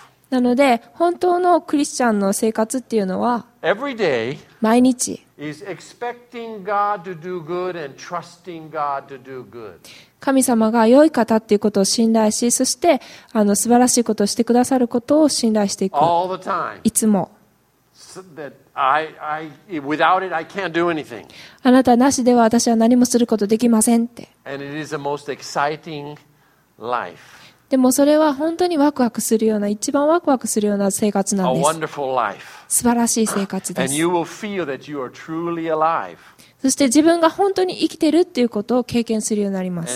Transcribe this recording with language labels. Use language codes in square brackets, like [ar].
[ja] なので本当のクリスチャンの生活っていうのは、 [en] Every day [ja] 毎日 [en] is expecting God to do good and trusting God to do good. [ja] 神様が良い方っていうことを信頼し、そしてあの素晴らしいことをしてくださることを信頼していく。 [en] All the time. [ja] いつも。 [en] Without it, I can't do anything. [ja] あなたなしでは私は何もすることできませんって。 [en] And it is the most exciting life. [ja] でもそれは本当にワクワクするような、一番ワクワクするような生活なんです。 [en] A wonderful life. [ja] 素晴らしい生活です。 [en] And you will feel that you are truly alive. [ja] そして自分が本当に生きてるっていうことを経験するようになります。